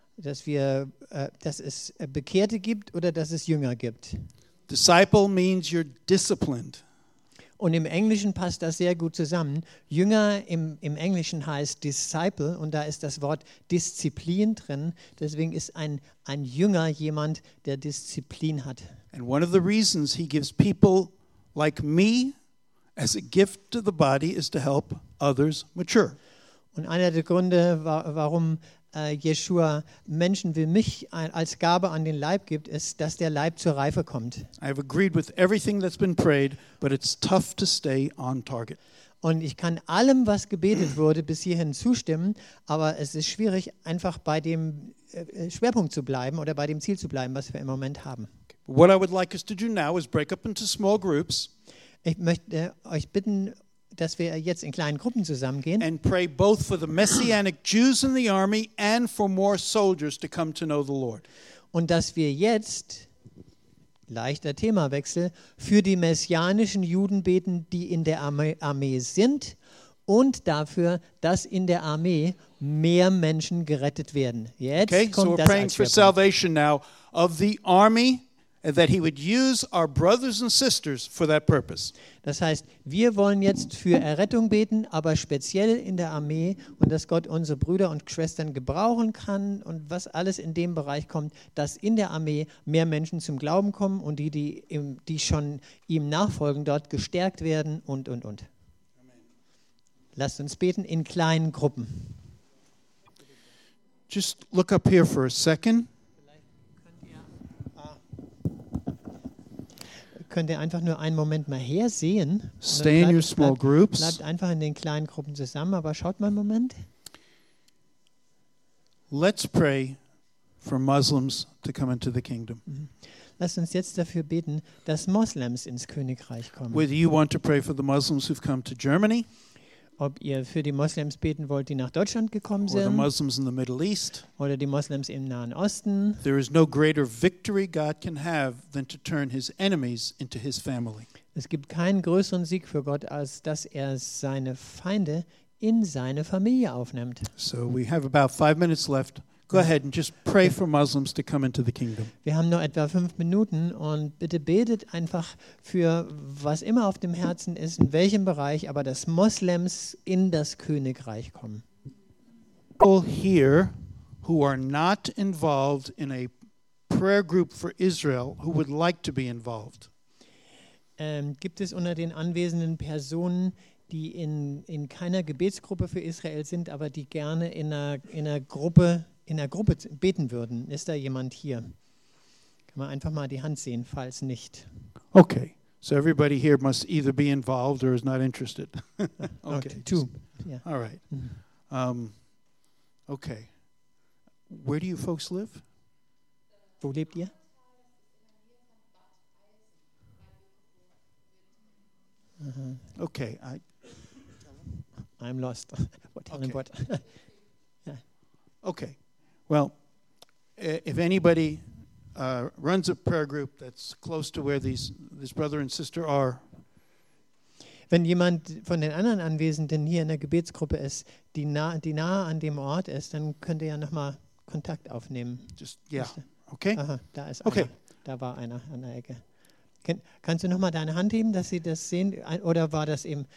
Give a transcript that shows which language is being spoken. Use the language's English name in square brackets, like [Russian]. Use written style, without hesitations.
[German] Dass wir dass es Bekehrte gibt oder dass es Jünger gibt. [English] Disciple means you're disciplined. [German] Und im Englischen passt das sehr gut zusammen. Jünger im Englischen heißt disciple und da ist das Wort Disziplin drin, deswegen ist ein Jünger jemand, der Disziplin hat. [English] And one of the reasons he gives people like me as a gift to the body is to help others mature. [German] Und einer der Gründe, warum Yeshua Menschen wie mich als Gabe an den Leib gibt, ist, dass der Leib zur Reife kommt. [English] I have agreed with everything that's been prayed, but it's tough to stay on target. [German] Und ich kann allem, was gebetet wurde, bis hierhin zustimmen, aber es ist schwierig, einfach bei dem Schwerpunkt zu bleiben oder bei dem Ziel zu bleiben, was wir im Moment haben. [English] What I would like us to do now is break up into small groups. [German] Ich möchte euch bitten, dass wir jetzt in kleinen Gruppen zusammengehen. [English] And pray both for the messianic Jews in the army and for more soldiers to come to know the Lord. [German] Und dass wir jetzt, leichter Themawechsel, für die messianischen Juden beten, die in der Armee sind und dafür, dass in der Armee mehr Menschen gerettet werden. Jetzt okay, kommt [English] so we're [German] das [English] praying for salvation now of the army and that he would use our brothers and sisters for that purpose. [German] Das heißt, wir wollen jetzt für Errettung beten, aber speziell in der Armee und dass Gott unsere Brüder und Schwestern gebrauchen kann und was alles in dem Bereich kommt, dass in der Armee mehr Menschen zum Glauben kommen und die schon ihm nachfolgen, dort gestärkt werden und. Lasst uns beten in kleinen Gruppen. [English] Just look up here for a second. [German] Könnt ihr einfach nur einen Moment mal her sehen? [English] Stay in your small groups. [German] Bleibt einfach in den kleinen Gruppen zusammen, aber schaut mal einen Moment. [English] Let's pray for Muslims to come into the kingdom. [German] Lasst uns jetzt dafür beten, dass Moslems ins Königreich kommen. [English] Whether you want to pray for the Muslims who've come to Germany? [German] Ob ihr für die Moslems beten wollt, die nach Deutschland gekommen sind, [English] or the Muslims in the Middle East, [German] oder die Moslems im Nahen Osten. [English] There is no greater victory God can have than to turn his enemies into his family. [German] Es gibt keinen größeren Sieg für Gott, als dass er seine Feinde in seine Familie aufnimmt. [English] So we have about 5 minutes left. Go ahead and just pray for Muslims to come into the kingdom. [German] Wir haben nur etwa 5 Minuten und bitte betet einfach für was immer auf dem Herzen ist, in welchem Bereich, aber dass Moslems in das Königreich kommen. [English] People here who are not involved in a prayer group for Israel who would like to be involved. [German] Gibt es unter den anwesenden Personen, die in keiner Gebetsgruppe für Israel sind, aber die gerne in einer Gruppe beten würden, ist da jemand hier? Kann man einfach mal die Hand sehen, falls nicht. [English] Okay, so everybody here must either be involved or is not interested. Okay, two. Yeah. All right. Okay. Where do you folks live? [German] Wo lebt ihr? Okay, [English] I'm lost. What? Yeah. Okay. Well, if anybody runs a prayer group that's close to where this brother and sister are, [German] wenn jemand von den anderen Anwesenden hier in der Gebetsgruppe ist, die nah an dem Ort ist, dann könnt ihr ja nochmal Kontakt aufnehmen. [English] Just yeah. Okay. [German] Aha, da ist okay. Einer. Da war einer an der Ecke. Kannst du nochmal deine Hand heben, dass sie das sehen? Oder war das eben?